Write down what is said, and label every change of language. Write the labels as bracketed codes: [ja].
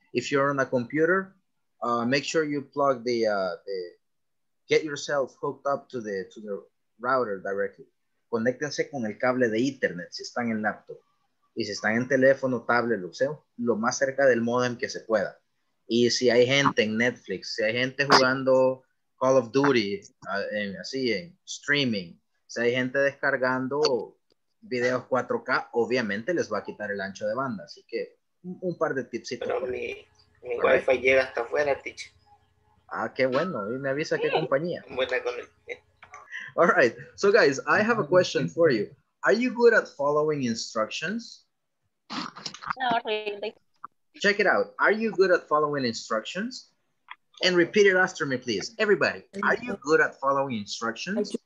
[en] If you're on a computer, make sure you plug the, get yourself hooked up to the router directly. [es] Conéctense con el cable de internet si están en laptop. Y si están en teléfono, tablet, lo más cerca del modem que se pueda. Y si hay gente en Netflix, si hay gente jugando Call of Duty, en streaming, si hay gente descargando videos 4K, obviamente les va a quitar el ancho de banda. Así que un par de tipsitos. Pero mi Wi-Fi llega hasta afuera, teacher. Ah, qué bueno. Y me avisa qué compañía. Buena con él. [en] All right, so guys, I have a question for you. Are you good at following instructions? No, really. Check it out. Are you good at following instructions? And repeat it after me, please. Everybody, are you good at following instructions?